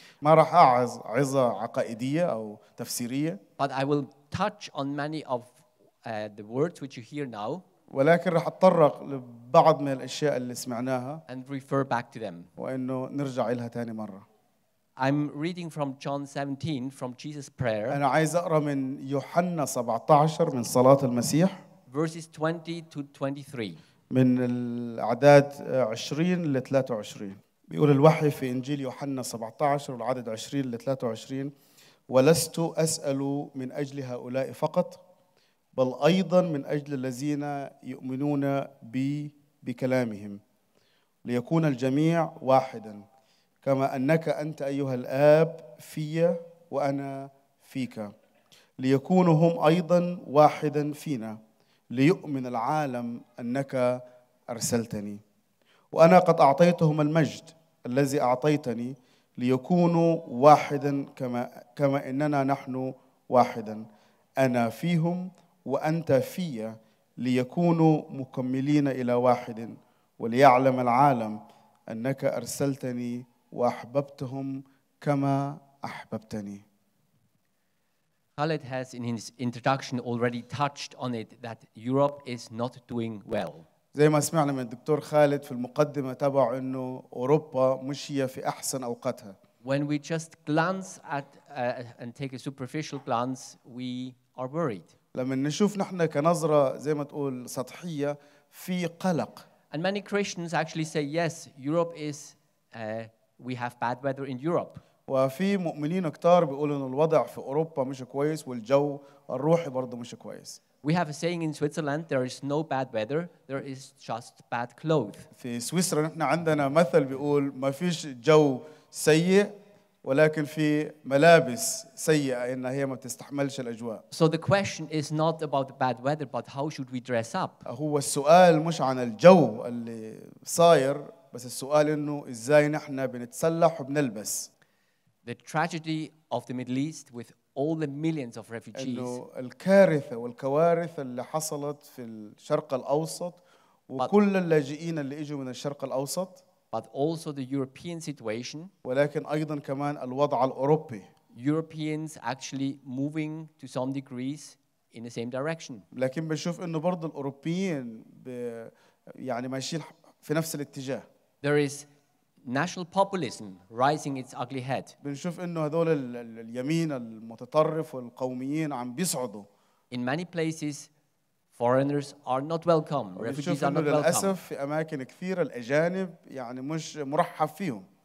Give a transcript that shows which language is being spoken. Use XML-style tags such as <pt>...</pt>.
<ar>ما راح أعظ عظة عقائدية أو تفسيرية.</ar> <en>But I will touch on many of the words which you hear now.</en> <ar>ولكن راح أتطرق لبعض من الأشياء اللي سمعناها.</ar> <en>And refer back to them.</en> <ar>وإنه نرجع إلها تاني مرة.</ar> <en>I'm reading from John 17 from Jesus' prayer.</en> <ar>أنا عايز أقرأ من يوحنا 17 من صلاة المسيح.</ar> <en>Verses 20 to 23.</en> <ar>من الأعداد 20 ل 23. بيقول الوحي في إنجيل يوحنا 17 والعدد 20 ل 23. ولست أسأل من أجل هؤلاء فقط، بل أيضا من أجل الذين يؤمنون بي بكلامهم، ليكون الجميع واحدا. كما أنك أنت أيها الآب في وأنا فيك، ليكونوا هم أيضا واحدا فينا، ليؤمن العالم أنك أرسلتني. وأنا قد أعطيتهم المجد الذي أعطيتني، ليكونوا واحدا كما إننا نحن واحدا، أنا فيهم وأنت في، ليكونوا مكملين إلى واحد، وليعلم العالم أنك أرسلتني وأحببتهم كما أحببتني.</ar> <en>Khaled has in his introduction already touched on it that Europe is not doing well.</en> <ar>زي ما سمعنا من الدكتور خالد في المقدمة تبعه إنه أوروبا مش هي في أحسن أوقاتها.</ar> <en>When we just glance at and take a superficial glance, we are worried.</en> <ar>لما نشوف نحن كنظرة زي ما تقول سطحية في قلق.</ar> <en>And many Christians actually say yes, Europe is. We have bad weather in Europe.</en> <ar>وفي مؤمنين كتار بيقولوا إن الوضع في أوروبا مش كويس والجو الروحي برضه مش كويس.</ar> <en>We have a saying in Switzerland: there is no bad weather, there is just bad clothes.</en> <ar>في سويسرا نحن عندنا مثل بيقول ما فيش جو سيء ولكن في ملابس سيئة إن هي ما تستحملش الأجواء.</ar> <en>So the question is not about the bad weather, but how should we dress up?</en> <ar>هو السؤال مش عن الجو اللي صاير. بس السؤال إنه إزاي نحنا بنتسلح وبنلبس.</ar> <en>The tragedy of the Middle East with all the millions of refugees.</en> <ar>إنه الكارثة والكوارث اللي حصلت في الشرق الأوسط وكل اللاجئين اللي إجوا من الشرق الأوسط.</ar> <en>But also the European situation.</en> <ar>ولكن أيضا كمان الوضع الأوروبي.</ar> <en>Europeans actually moving to some degrees in the same direction.</en> <ar>لكن بنشوف إنه برضو الأوروبيين يعني ماشيين في نفس الاتجاه.</ar> <en>There is national populism rising its ugly head.</en> <ar>بنشوف إنه هذول اليمين المتطرف والقوميين عم بيصعدوا.</ar> <en>In many places, foreigners are not welcome. Refugees are not welcome.</en> <ar>للأسف في أماكن كثيرة الأجانب يعني مش مرحب فيهم.</ar>